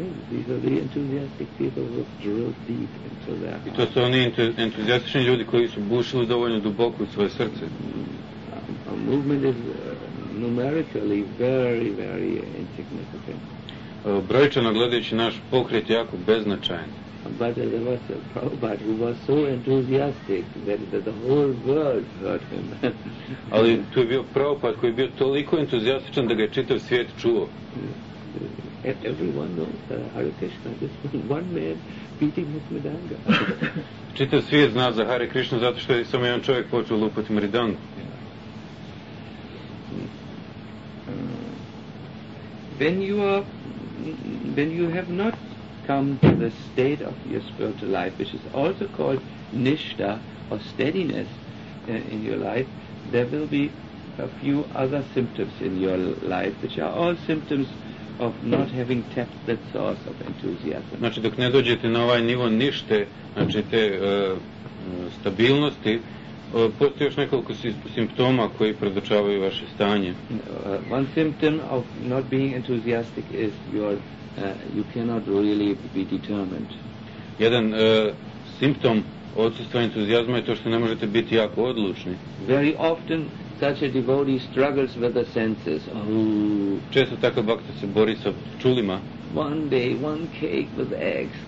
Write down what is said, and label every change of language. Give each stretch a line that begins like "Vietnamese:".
English: These are the enthusiastic people who have drilled deep into their heart.
Bosnian: I to su oni entuzijastični ljudi koji su bušili dovoljno duboko u svoje srce.
English: A movement is numerically very, very insignificant.
Bosnian: Brojčano gledajući naš pokret jako beznačajan.
English: But there was a Prabhupada who was so enthusiastic that the whole world heard him.
Bosnian: Ali tu je bio Prabhupada koji je bio toliko entuzijastičan da ga je čitav svijet čuo.
English: Everyone knows Hare Krishna. This one man beating his mridanga.
Bosnian: Čitav svijet zna za Hare Krishna zato što je samo jedan čovjek počeo lupati mridangu.
English: When you have not come to the state of your spiritual life, which is also called nishta or steadiness in your life, there will be a few other symptoms in your life, which are all symptoms of not having tapped that source of enthusiasm.
Bosnian: Znači, dok ne dođete na ovaj nivo nište, znači te stabilnosti, Postoji još nekoliko simptoma koji predočavaju vaše stanje.
English: One symptom of not being enthusiastic is your you cannot really be determined.
Bosnian: Jedan simptom odsustva entuzijazma je to što ne možete biti jako odlučni.
English: Very often such a devotee struggles with the senses.
Bosnian: Često takav bhakta se bori sa čulima.
English: One day, one cake with eggs.